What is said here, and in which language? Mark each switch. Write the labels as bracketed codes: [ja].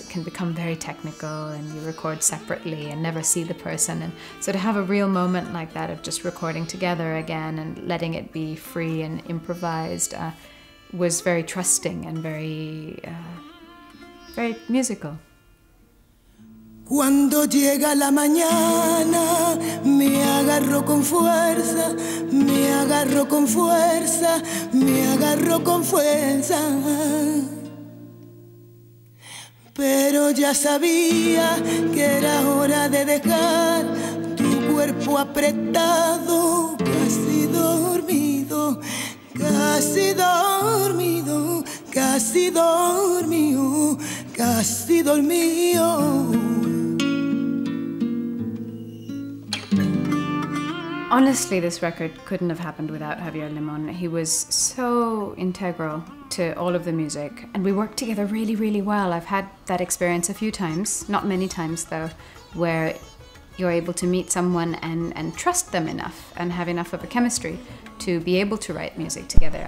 [en] It can become very technical and you record separately and never see the person. And so to have a real moment like that of just recording together again and letting it be free and improvised was very trusting and very, very musical. [es] Cuando llega la mañana, me agarro con fuerza, me agarro con fuerza, me agarro con fuerza. Pero ya sabía que era hora de dejar tu cuerpo apretado, casi dormido, casi dormido, casi dormido. [en] Honestly, this record couldn't have happened without Javier Limón. He was so integral to all of the music, and we worked together really, really well. I've had that experience a few times, not many times though, where you're able to meet someone and trust them enough and have enough of a chemistry to be able to write music together.